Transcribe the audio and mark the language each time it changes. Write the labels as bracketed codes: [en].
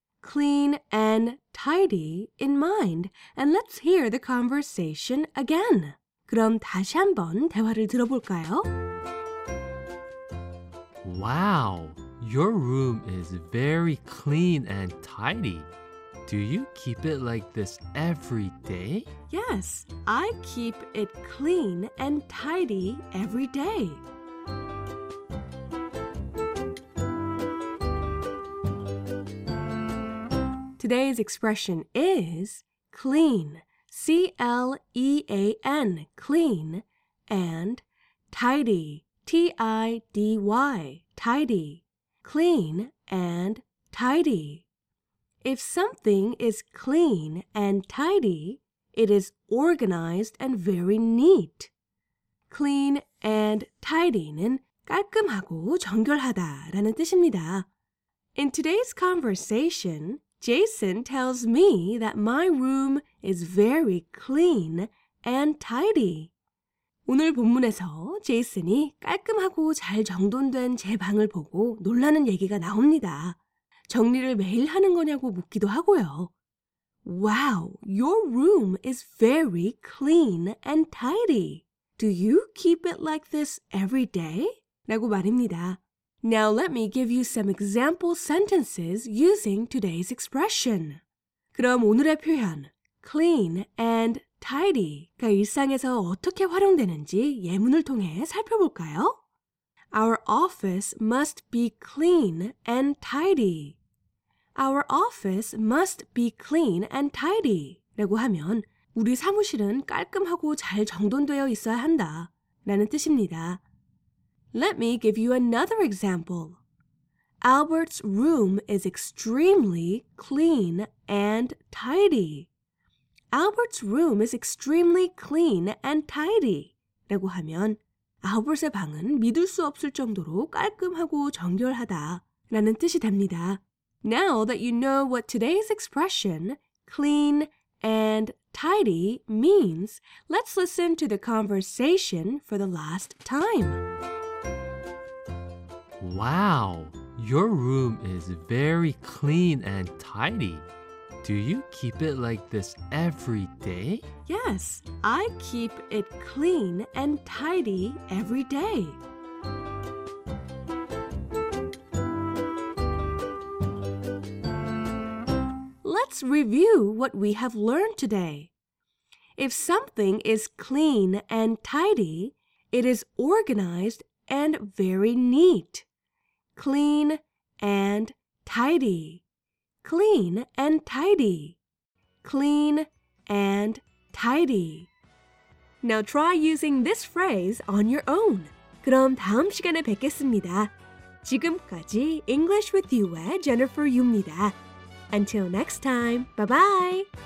[en] Clean and tidy in mind, and let's hear the conversation again. [ko] 그럼 다시 한번 대화를 들어볼까요? [en] Wow, your room is very clean and tidy. Do you keep it like this every day? Yes, I keep it clean and tidy every day. 오늘의 expression is clean, C-L-E-A-N, clean, and tidy, T-I-D-Y, tidy, clean and tidy. If something is clean and tidy, it is organized and very neat. [ko] Clean and tidy는 깔끔하고 정결하다라는 뜻입니다. [en] In today's conversation, Jason tells me that my room is very clean and tidy. [ko] 오늘 본문에서 제이슨이 깔끔하고 잘 정돈된 제 방을 보고 놀라는 얘기가 나옵니다. 정리를 매일 하는 거냐고 묻기도 하고요. [en] Wow, your room is very clean and tidy. Do you keep it like this every day? [ko] 라고 말입니다. [en] Now let me give you some example sentences using today's expression. [ko] 그럼 오늘의 표현, [en] clean and tidy [ko] 가 일상에서 어떻게 활용되는지 예문을 통해 살펴볼까요? [en] Our office must be clean and tidy. Our office must be clean and tidy. [ko] 라고 하면 우리 사무실은 깔끔하고 잘 정돈되어 있어야 한다 라는 뜻입니다. [en] Let me give you another example. Albert's room is extremely clean and tidy. Albert's room is extremely clean and tidy. [ko] 라고 하면 Albert의 방은 믿을 수 없을 정도로 깔끔하고 정결하다 라는 뜻이 됩니다. [en] Now that you know what today's expression, clean and tidy, means, let's listen to the conversation for the last time. Wow, your room is very clean and tidy. Do you keep it like this every day? Yes, I keep it clean and tidy every day. Let's review what we have learned today. If something is clean and tidy, it is organized and very neat. Clean and tidy. Clean and tidy. Clean and tidy. Now try using this phrase on your own. [ko] 그럼 다음 시간에 뵙겠습니다. 지금까지 English with You의 Jennifer Yu입니다. [en] Until next time, bye-bye!